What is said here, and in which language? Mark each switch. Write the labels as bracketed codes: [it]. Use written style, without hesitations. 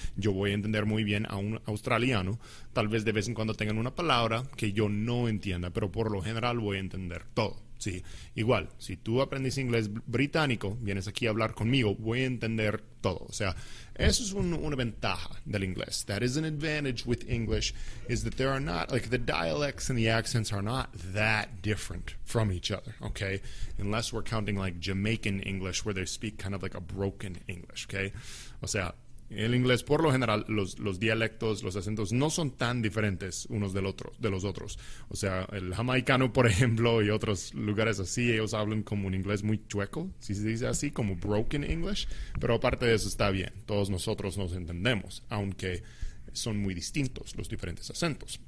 [es] Yo voy a entender muy bien a un australiano. Tal vez de vez en cuando tengan una palabra que yo no entienda, pero por lo general voy a entender todo. Sí, igual, si tú aprendes inglés británico, vienes aquí a hablar conmigo, voy a entender todo. O sea, eso es una ventaja del inglés. [en] That is an advantage with English, is that there are not, like, the dialects and the accents are not that different from each other, okay? Unless we're counting, like, Jamaican English, where they speak kind of like a broken English, okay? [es] O sea, el inglés, por lo general, los dialectos, los acentos, no son tan diferentes unos de los otros. O sea, el jamaicano, por ejemplo, y otros lugares así, ellos hablan como un inglés muy chueco, si se dice así, como broken English. Pero aparte de eso, está bien. Todos nosotros nos entendemos, aunque son muy distintos los diferentes acentos.